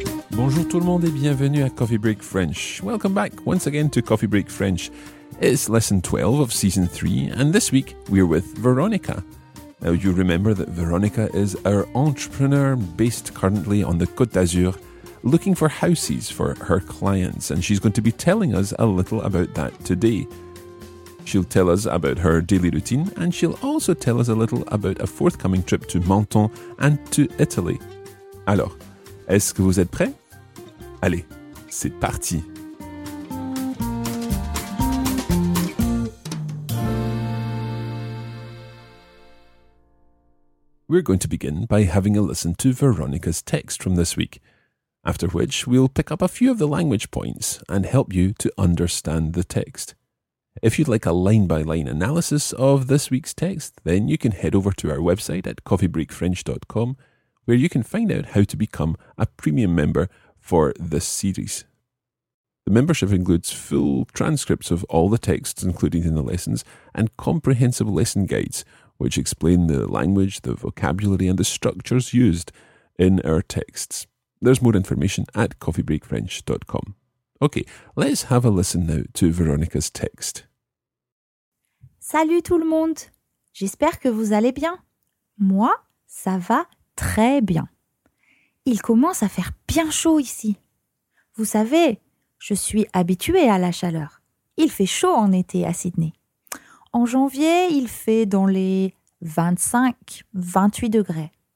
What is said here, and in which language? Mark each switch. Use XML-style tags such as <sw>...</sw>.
<fr>Bonjour tout le monde et bienvenue à Coffee Break French.</fr> <en>Welcome back once again to Coffee Break French. It's lesson 12 of season 3, and this week we're with Veronica. Now you remember that Veronica is our entrepreneur based currently on the Côte d'Azur, looking for houses for her clients, and she's going to be telling us a little about that today. She'll tell us about her daily routine, and she'll also tell us a little about a forthcoming trip to Menton and to Italy.</en> <fr>Alors, est-ce que vous êtes prêts? Allez, c'est parti!</fr> <en>We're going to begin by having a listen to Veronica's text from this week, after which we'll pick up a few of the language points and help you to understand the text. If you'd like a line-by-line analysis of this week's text, then you can head over to our website at coffeebreakfrench.com, where you can find out how to become a premium member for this series. The membership includes full transcripts of all the texts included in the lessons and comprehensive lesson guides, which explain the language, the vocabulary and the structures used in our texts. There's more information at coffeebreakfrench.com. Okay, let's have a listen now to Veronica's text.</en> <fr>Salut tout le monde! J'espère que vous allez bien. Moi, ça va très bien. Il commence à faire bien chaud ici. Vous savez, je suis habituée à la chaleur. Il fait chaud en été à Sydney. En janvier, il fait dans les 25-28 degrés.</fr>